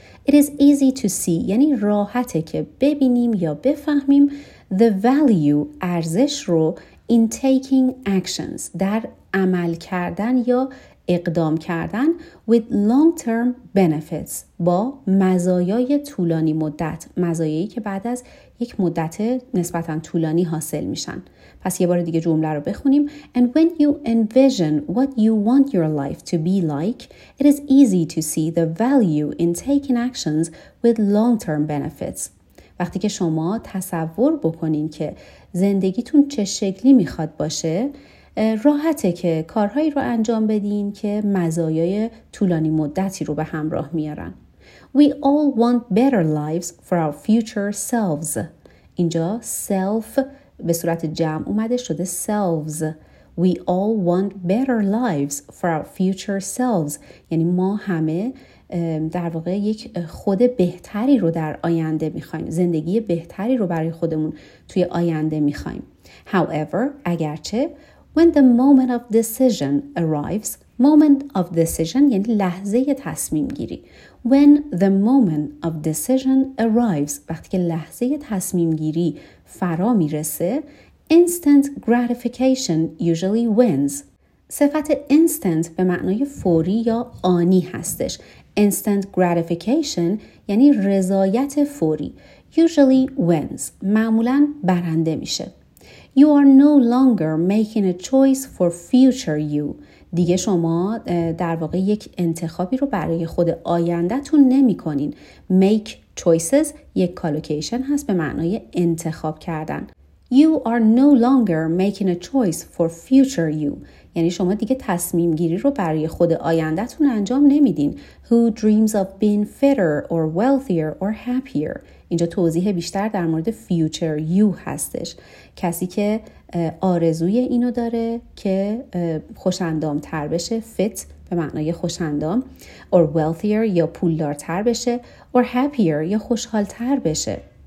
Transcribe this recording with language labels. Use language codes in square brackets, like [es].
[en] It is easy to see [fa] یعنی راحته که ببینیم یا بفهمیم [en] the value [fa] ارزش رو [en] in taking actions [fa] در عمل کردن یا اقدام کردن [en] with long-term benefits [fa] با مزایای طولانی مدت، مزایایی که بعد از یک مدت نسبتاً طولانی حاصل میشن. پس یه بار دیگه جمله رو بخونیم. [en] And when you envision what you want your life to be like, it is easy to see the value in taking actions with long-term benefits. [fa] وقتی که شما تصور بکنین که زندگیتون چه شکلی میخواد باشه، راحته که کارهایی رو انجام بدین که مزایای طولانی مدتی رو به همراه میارن. [en] We all want better lives for our future selves. [fa] اینجا self به صورت جمع اومده شده selves. [en] We all want better lives for our future selves. [fa] یعنی ما همه در واقع یک خود بهتری رو در آینده میخوایم. زندگی بهتری رو برای خودمون توی آینده میخوایم. [en] However, [fa] اگرچه [en] when the moment of decision arrives، moment of decision [fa] یعنی لحظه تصمیم گیری. [en] When the moment of decision arrives، [fa] وقتی که لحظه تصمیم گیری فرا میرسه، [en] instant gratification usually wins. [fa] صفت instant به معنای فوری یا آنی هستش. Instant gratification یعنی رضایت فوری. [en] Usually wins، [fa] معمولاً برنده میشه. [en] You are no longer making a choice for future you. [fa] دیگه شما در واقع یک انتخابی رو برای خود آیندتون نمی کنین. Make choices یک کالوکیشن هست به معنای انتخاب کردن. [en] You are no longer making a choice for future you. [fa] یعنی شما دیگه تصمیم گیری رو برای خود آیندتون انجام نمیدین. [en] Who dreams of being fitter or wealthier or happier؟ [fa] اینجا توضیح بیشتر در مورد [en] future you هستش. [fa] کسی که آرزوی اینو داره که خوشندام تر بشه، fit به معنای خوشندام، [en] or wealthier [fa] یا پولدارتر بشه، [en] or happier [fa] یا خوشحال تر بشه.